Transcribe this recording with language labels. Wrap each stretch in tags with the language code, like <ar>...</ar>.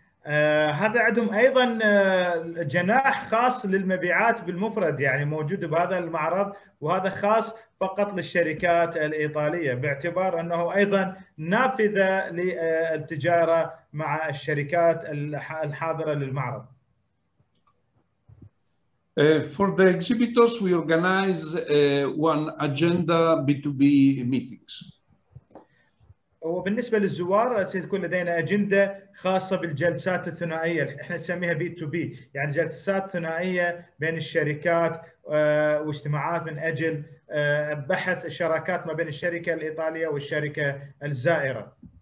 <ar>هذا عندهم ايضا جناح خاص للمبيعات بالمفرد يعني موجود بهذا المعرض، وهذا خاص فقط للشركات الايطاليه باعتبار انه ايضا نافذه للتجاره مع الشركات الحاضره للمعرض.</ar> <en>For the exhibitors we organize one agenda B2B meetings.</en> <ar>وبالنسبة للزوار سيكون لدينا أجندة خاصة بالجلسات الثنائية احنا نسميها B2B، يعني جلسات ثنائية بين الشركات واجتماعات من أجل بحث الشراكات ما بين الشركة الإيطالية والشركة الزائرة.</ar>